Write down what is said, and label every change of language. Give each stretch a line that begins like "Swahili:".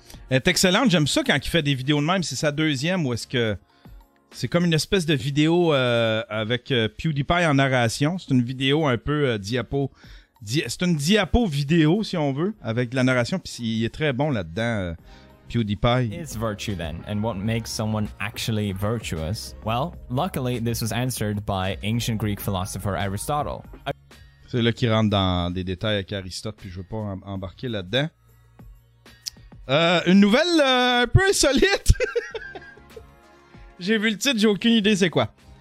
French: Elle est excellente, j'aime ça quand il fait des vidéos de même. C'est sa deuxième ou est-ce que... C'est comme une espèce de vidéo avec PewDiePie en narration. C'est une vidéo un peu diapo... C'est une diapo vidéo, si on veut, avec de la narration. Puis il est très bon là-dedans, PewDiePie.
English: It's virtue then, and what makes someone actually virtuous? Well, luckily, this was answered by ancient Greek philosopher Aristotle.
French: C'est là qu'il rentre dans des détails avec Aristote, puis je veux pas embarquer là-dedans. Une nouvelle un peu insolite. J'ai vu le titre, j'ai aucune idée c'est quoi.